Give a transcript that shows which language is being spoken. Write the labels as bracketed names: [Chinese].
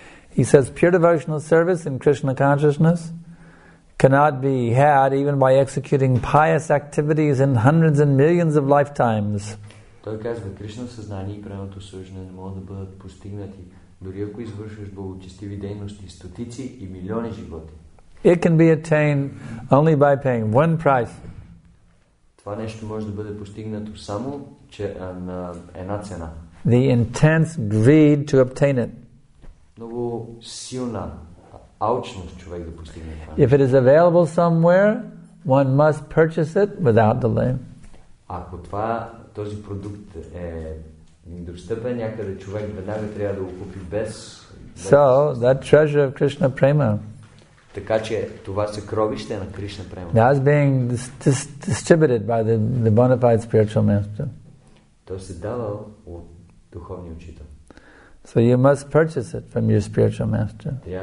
[English] He says, pure devotional service in Krishna consciousness cannot be had even by executing pious activities in hundreds and millions of lifetimes. [Bulgarian] Той казва, Кришна съзнание и правилното служене не могат да бъдат постигнати, дори ако извършваш благочестиви дейности стотици и милиони животи. [English] It can be attained only by paying one price. [Bulgarian] Това нещо може да бъде постигнато само на една цена. [English] The intense greed to obtain it. [Bulgarian] Много силна алчност човек да постигне това. [English] If it is available somewhere, one must purchase it without delay. [Bulgarian] Ако това този продукт е достъпен някъде, човек веднага трябва да го купи без. [English] So that treasure of Krishna prema. [Bulgarian] Така че това съкровище на Кришна према. [English] That is being distributed by the bona fide spiritual master. [Bulgarian] То се дава от духовния учител. [English] So you must purchase it from your spiritual master.